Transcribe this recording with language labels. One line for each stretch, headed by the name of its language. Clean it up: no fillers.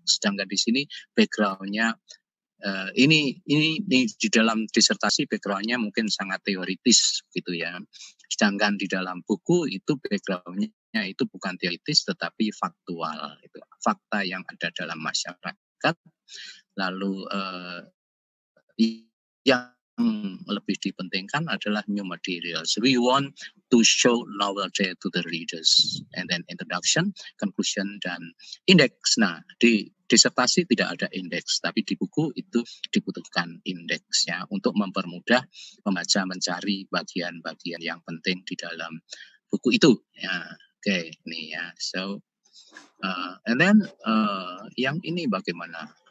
Indonesian: Sedangkan di sini background-nya ini di dalam disertasi background-nya mungkin sangat teoritis gitu ya. Sedangkan di dalam buku itu background-nya itu bukan teoritis tetapi faktual, itu fakta yang ada dalam masyarakat. Lalu yang lebih dipentingkan adalah new materials.
English: We want to show novel day to the readers, and then introduction, conclusion,
Indonesian: dan
English: index.
Indonesian: Nah, di disertasi tidak ada indeks, tapi di buku itu dibutuhkan indeksnya untuk mempermudah pembaca mencari bagian-bagian yang penting di dalam buku itu. Ya, oke, okay, ini ya.
English: So, and then
Indonesian: yang ini bagaimana?